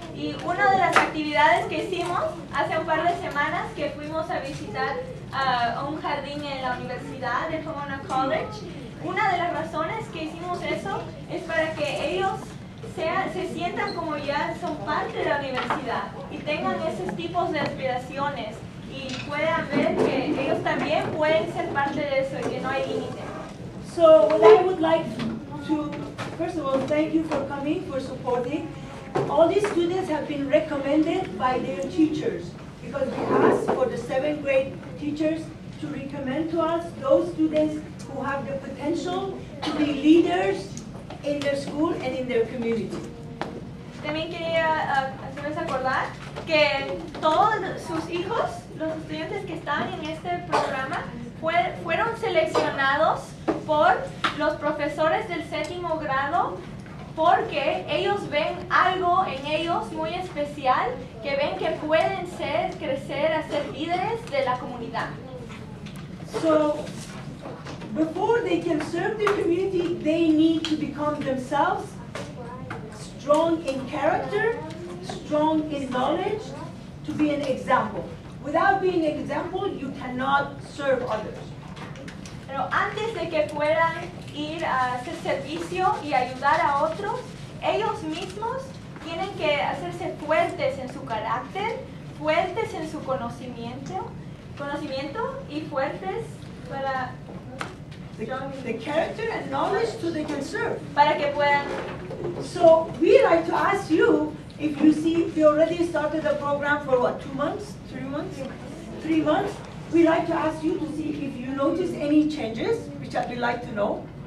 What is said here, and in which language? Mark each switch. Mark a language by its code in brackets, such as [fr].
[es] Y una de las actividades que hicimos hace un par de semanas, que fuimos a visitar un jardín en la universidad de Pomona College, una de las razones que hicimos eso es para que ellos se sientan como ya son parte de la universidad y tengan esos tipos de aspiraciones y puedan ver que ellos también pueden ser parte de eso y que no hay límite. [en] So what I would like to, first of all, thank you for coming, for supporting. All these students have been recommended by their teachers, because we asked for the seventh grade teachers to recommend to us those students who have the potential to be leaders in their school and in their community. [es] También quería hacerles acordar que todos sus hijos, los estudiantes que están en este programa, fueron seleccionados por los profesores del séptimo grado porque ellos ven algo en ellos muy especial, que ven que pueden ser, crecer, hacer líderes de la comunidad. [en] So, before they can serve the community, they need to become themselves strong in character, strong in knowledge, to be an example. Without being an example, you cannot serve others. [es] Pero antes de que puedan ir a hacer servicio y ayudar a otros, ellos mismos tienen que hacerse fuertes en su carácter, fuertes en su conocimiento y fuertes para [en] the character and knowledge to they can serve. [es] Para que puedan. [en] So we like to ask you, if you see they already started the program for what, 2 months? 3 months? 3 months. We'd like to ask you to see if you notice any changes, which I'd like to know.